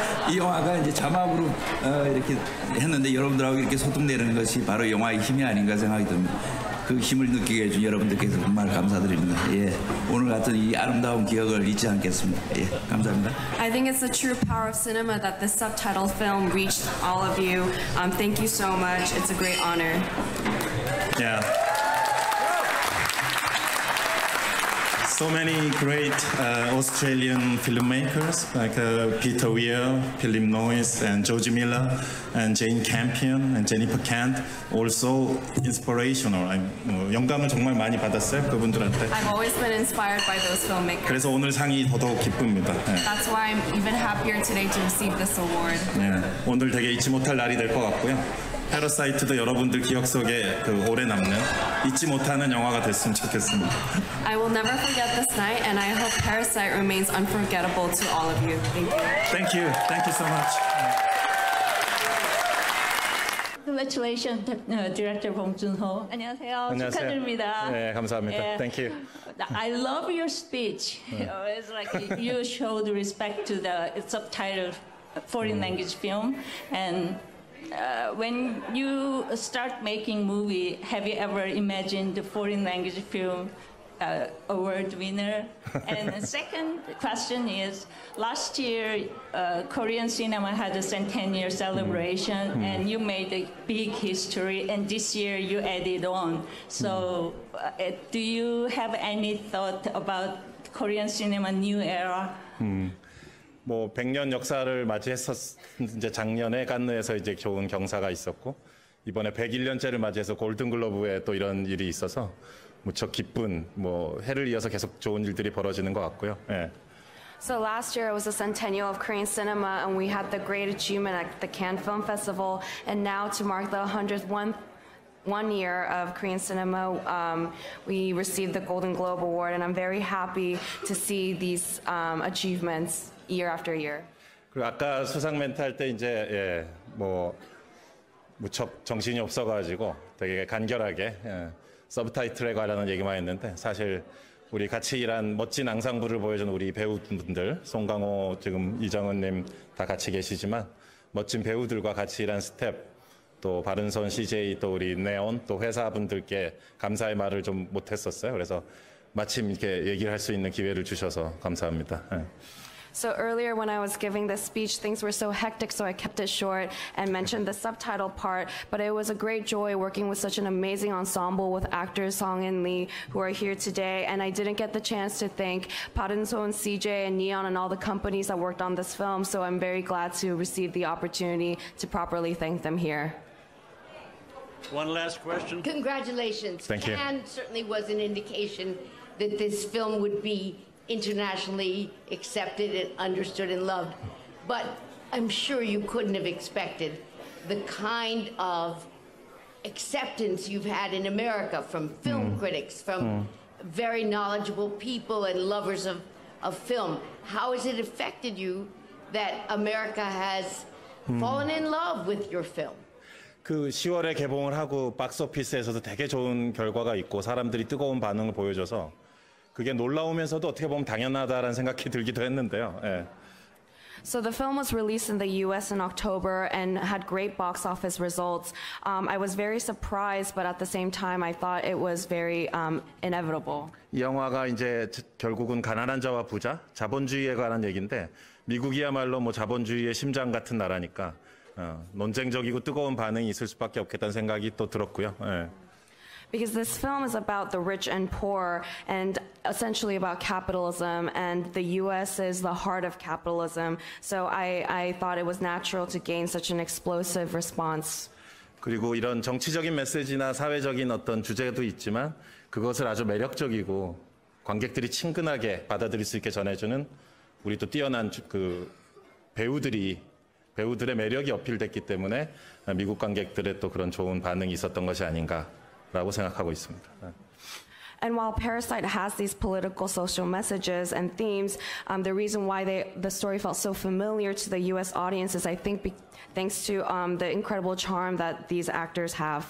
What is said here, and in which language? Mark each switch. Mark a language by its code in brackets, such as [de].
[ko] 이 영화가 이제 자막으로 이렇게 했는데 여러분들하고 이렇게 소통되는 것이 바로 영화의 힘이 아닌가 생각이 듭니다. 그 힘을 느끼게 해준 여러분들께서 정말 감사드립니다. 예, 오늘 같은 이 아름다운 기억을 잊지 않겠습니다. 예, 감사합니다. [en] I think it's the true power of cinema that this subtitled film reached all of you. Thank you so much. It's a great honor. Yeah. So many great Australian filmmakers like Peter Weir, Philip Noyce, and George Miller, and Jane Campion, and Jennifer Kent, also inspirational. I'm, [ko] 영감을 정말 많이 받았어요, 그분들한테. [en] I've always been inspired by those filmmakers. [ko] 그래서 오늘 상이 더더욱 기쁩니다. [en] That's why I'm even happier today to receive this award. [ko] 네, 오늘 되게 잊지 못할 날이 될 것 같고요. 패러사이트도 여러분들 기억 속에 그 오래 남는 잊지 못하는 영화가 됐으면 좋겠습니다. [en] I will never forget this night and I hope Parasite remains unforgettable to all of you. Thank you. Thank you. Thank you so much. Congratulations, Director Bong Joon-ho. [ko] 안녕하세요. 축하드립니다. 네, 감사합니다. [en] Yeah. Thank you. I love your speech. It's like you showed respect to the subtitled foreign language film and when you start making movie, have you ever imagined a foreign language film award winner? And the second question is, last year Korean cinema had a centennial celebration and you made a big history and this year you added on. So do you have any thought about Korean cinema new era? [ko] 뭐 100년 역사를 맞이했었 이제 작년에 칸느에서 이제 좋은 경사가 있었고 이번에 101년째를 맞이해서 골든 글로브에 또 이런 일이 있어서 무척 기쁜 뭐 해를 이어서 계속 좋은 일들이 벌어지는 것 같고요. 예. [en] So last year it was the centennial of Korean cinema and we had the great achievement at the Cannes Film Festival and now to mark the 101 year of Korean cinema, we received the Golden Globe Award and I'm very happy to see these achievements. Year after year. [ko] 그리고 아까 수상 멘트 할 때 이제 예, 뭐 무척 정신이 없어가지고 되게 간결하게 예, 서브타이틀에 관한 얘기만 했는데 사실 우리 같이 일한 멋진 앙상블을 보여준 우리 배우분들 송강호 지금 이정은님 다 같이 계시지만 멋진 배우들과 같이 일한 스텝 또 바른선 CJ 또 우리 네온 또 회사 분들께 감사의 말을 좀 못했었어요. 그래서 마침 이렇게 얘기를 할 수 있는 기회를 주셔서 감사합니다. 예. [en] So earlier when I was giving this speech, things were so hectic, so I kept it short and mentioned the subtitle part. But it was a great joy working with such an amazing ensemble with actors Song and Lee, who are here today. And I didn't get the chance to thank Parinson, CJ, and Neon, and all the companies that worked on this film. So I'm very glad to receive the opportunity to properly thank them here. One last question. Congratulations. Thank you. Cannes certainly was an indication that this film would be internationally accepted and understood and loved. But I'm sure you couldn't have expected the kind of acceptance you've had in America from film critics, from very knowledgeable people and lovers of film. How has it affected you that America has fallen in love with your film? [ko] 그 10월에 개봉을 하고 박스오피스에서도 되게 좋은 결과가 있고 사람들이 뜨거운 반응을 보여줘서 그게 놀라우면서도 어떻게 보면 당연하다라는 생각이 들기도 했는데요. 예. [en] So the film was released in the US in October and had great box office results. I was very surprised but at the same time I thought it was very inevitable. [ko] 이 영화가 이제 결국은 가난한 자와 부자, 자본주의에 관한 얘긴데 미국이야말로 뭐 자본주의의 심장 같은 나라니까 논쟁적이고 뜨거운 반응이 있을 수밖에 없겠다는 생각이 또 들었고요. 예. [en] Because this film is about the rich and poor and essentially about capitalism and the U.S. is the heart of capitalism. So I thought it was natural to gain such an explosive response. [ko] 그리고 이런 정치적인 메시지나 사회적인 어떤 주제도 있지만 그것을 아주 매력적이고 관객들이 친근하게 받아들일 수 있게 전해주는 우리 또 뛰어난 그 배우들이 배우들의 매력이 어필됐기 때문에 미국 관객들의 또 그런 좋은 반응이 있었던 것이 아닌가. 라고 생각하고 있습니다. [en] And while Parasite has these political social messages and themes, the reason why the story felt so familiar to the US audience is I think thanks to the incredible charm that these actors have.